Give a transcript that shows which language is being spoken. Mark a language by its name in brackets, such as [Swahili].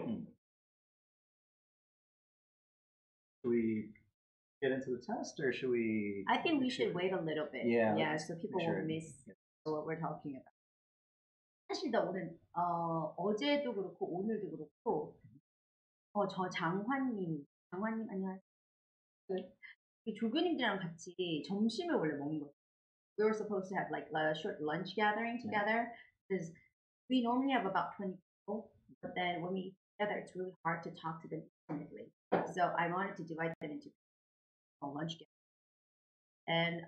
[English] Should we get into the test or should we? I think we should wait a little bit. Yeah. Yeah, so people won't miss. What we're talking about. [Korean] 사실 나 오늘 어제도 그렇고 오늘도 그렇고 저 장환님 안녕하세요. 그 조교님들이랑 같이 점심을 원래 먹는 거. [English] We were supposed to have like a short lunch gathering together because we normally have about 20 people, but then when we together, it's really hard to talk to them intimately. So I wanted to divide that into a lunch gathering.